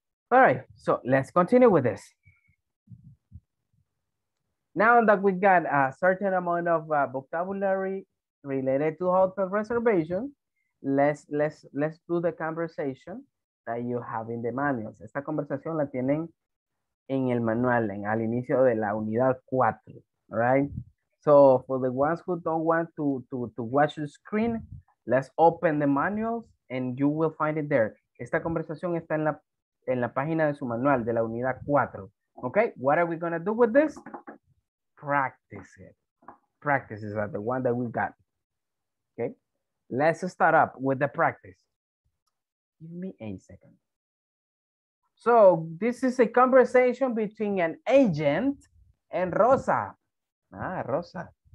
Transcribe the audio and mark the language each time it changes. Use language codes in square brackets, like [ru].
[en] All right, so let's continue with this. Now that we got a certain amount of vocabulary related to hotel reservation, let's do the conversation that you have in the manuals. [es] Esta conversación la tienen en el manual, al inicio de la unidad 4, [en] all right? So for the ones who don't want to watch the screen, let's open the manuals and you will find it there. [es] Esta conversación está en la página de su manual, de la unidad 4. [en] Okay, what are we gonna do with this? Practice it. Practices are the one that we got. Okay, let's start up with the practice. Give me a second. So this is a conversation between an agent and Rosa. Ah, Rosa.